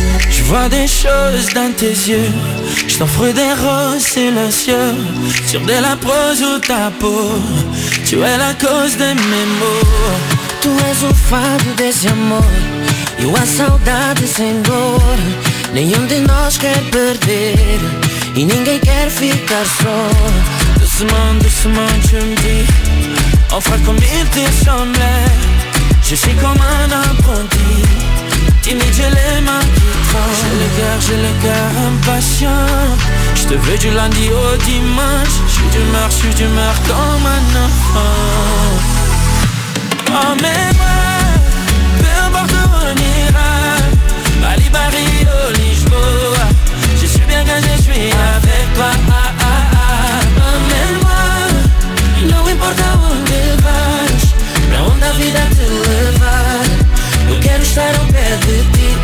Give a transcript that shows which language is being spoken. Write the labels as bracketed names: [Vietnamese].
[French] Je vois des choses dans tes yeux, je t'offre des roses et le ciel, sur des lapins ou ta peau, tu es la cause de mes maux. Tu es un [Portuguese] fado de ese amor, e a saudade sem dor. Nenhum de nós quer perder, e ninguém quer ficar só. [French] Doucement, tu me dis, enfin comme il te semblait, je suis comme un apprenti. Timide, j'ai les mains qui tremblent. J'ai le cœur impatient. J'te veux du lundi au dimanche. J'suis d'humeur comme un enfant. Emmène-moi, peu importe où on ira. Bali, Paris ou Lisboa. Je suis bien quand je suis avec toi. Emmène-moi, non importe où on va. [Portuguese] Pra onde a vida te levar. Eu quero estar ao pé de ti.